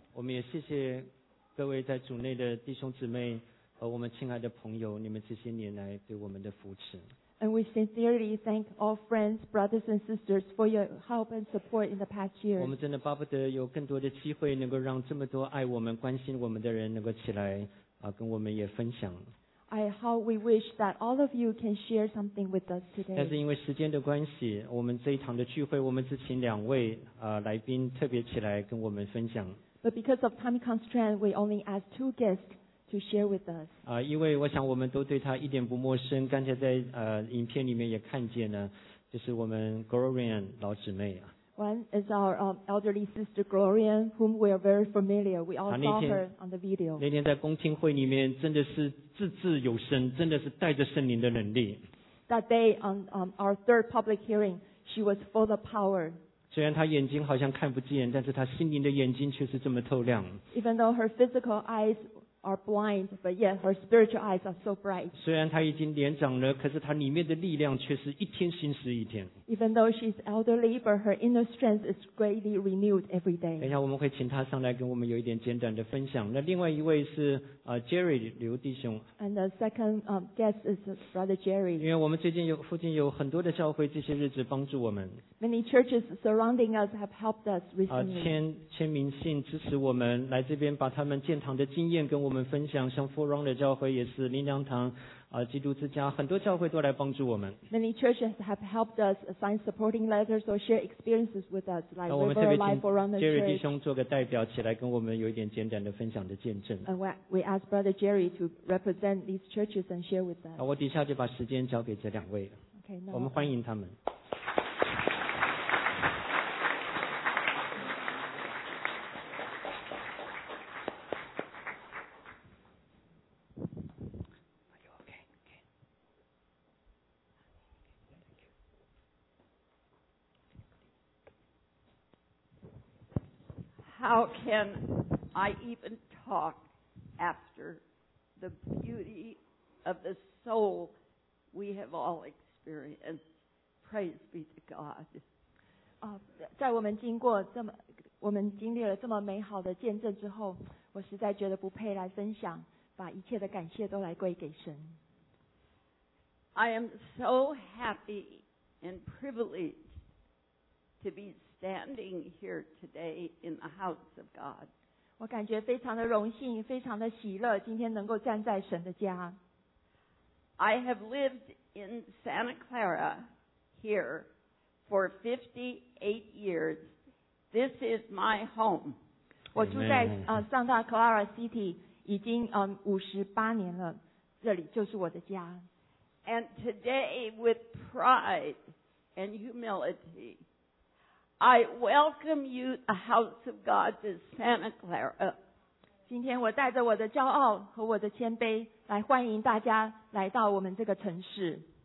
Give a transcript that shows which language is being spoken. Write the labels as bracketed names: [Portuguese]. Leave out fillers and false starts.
[Chinese] 我们也谢谢各位在主内的弟兄姊妹和我们亲爱的朋友，你们这些年来对我们的扶持。 [English] And we sincerely thank all friends, brothers and sisters for your help and support in the past year. [Chinese] 我们真的巴不得有更多的机会能够让这么多爱我们、关心我们的人能够起来啊，跟我们也分享。 [English] I how we wish that all of you can share something with us today. [Chinese] 但是因为时间的关系，我们这一堂的聚会，我们只请两位来宾特别起来跟我们分享。 [English] But because of time constraint, we only ask two guests to share with us. [Chinese] 因为我想我们都对他一点不陌生。刚才在影片里面也看见了，就是我们 Gloria 老姊妹啊。 [English] One is our elderly sister Gloria, whom we are very familiar. We all saw her on the video. [Chinese] 那天在公听会里面真的是字字有声，真的是带着圣灵的能力。 [English] That day on our third public hearing, she was full of power. [Chinese] 虽然她眼睛好像看不见，但是她心灵的眼睛却是这么透亮。 [English] Even though her physical eyes are blind, but yet her spiritual eyes are so bright. [Chinese] 虽然她已经年长了，可是她里面的力量却是一天新似一天。 [English] Even though she's elderly, but her inner strength is greatly renewed every day. [Chinese] 等一下我们会请她上来跟我们有一点简短的分享。那另外一位是Jerry 刘弟兄。 [English] And the second guest is Brother Jerry. [Chinese] 因为我们最近有附近有很多的教会，这些日子帮助我们。 [English] Many churches surrounding us have helped us recently. [Chinese] 签名信支持我们来这边，把他们建堂的经验跟我们分享。像 Forerunner 教会也是，林良堂。基督之家很多教会都来帮助我们。 [English] Many churches have helped us sign supporting letters or share experiences with us, like River Life Around the Church. [Chinese] 我们特别请 Jerry 弟兄做个代表起来，跟我们有一点简短的分享的见证。 [English] And we ask Brother Jerry to represent these churches and share with us. [Chinese] 我底下就把时间交给这两位。 [English] Okay, now [Chinese] 我们欢迎他们。 [English] How can I even talk after the beauty of the soul we have all experienced? Praise be to God. [Chinese] 在我们经过这么，我们经历了这么美好的见证之后，我实在觉得不配来分享，把一切的感谢都来归给神。 [English] I am so happy and privileged to be. Standing here today in the house of God, [Chinese] 我感觉非常的荣幸，非常的喜乐，今天能够站在神的家。 [English] I have lived in Santa Clara here for 58 years. This is my home. [Chinese] 我住在Santa Clara City 已经58年了，这里就是我的家。 [English] And today, with pride and humility. I welcome you to the house of God to Santa Clara. [Chinese] 今天我带着我的骄傲和我的谦卑来欢迎大家来到我们这个城市。